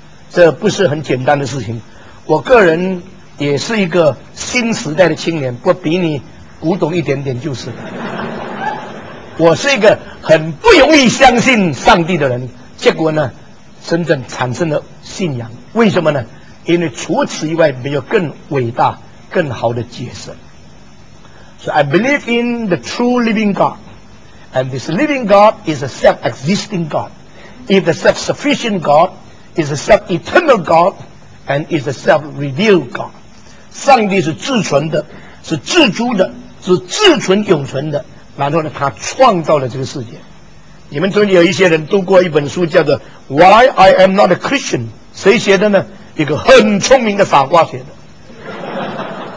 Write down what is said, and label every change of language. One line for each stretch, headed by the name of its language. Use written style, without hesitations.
Chinese: 这不是很简单的事情。我个人也是一个新时代的青年，不比你古董一点点就是。我是一个很不容易相信上帝的人，结果呢，真正产生了信仰。为什么呢？因为除此以外没有更伟大更好的解释。
English: So I believe in the true living God, and this living God is a self-existing God, is a self-sufficient God, is a self-eternal God, and is a self-revealed God.
Chinese: 上帝是自存的，是自足的，是自存永存的。然后呢，他创造了这个世界。你们中间有一些人读过一本书，叫做《Why I Am Not a Christian》，谁写的呢？一个很聪明的傻瓜写的。